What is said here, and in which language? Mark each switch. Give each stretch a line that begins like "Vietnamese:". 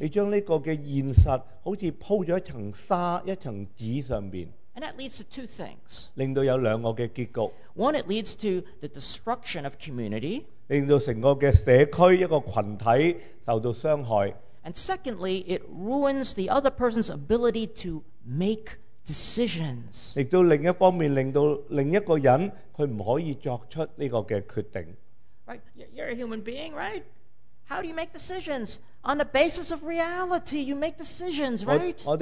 Cantonese: 你将呢个嘅现实好似铺咗一层纸上边。
English: And that leads to two things.
Cantonese: 令到有两个嘅结局。
English: One, it leads to the destruction of community.
Cantonese: 令到整个嘅社区一个群体受到伤害。
English: And secondly, it ruins the other person's ability to make decisions.
Cantonese: 亦都另一方面令到另一个人佢唔可以作出呢个嘅决定。
English: Right, you're a human being, right? How do you make decisions? On the basis of reality, you make decisions, right?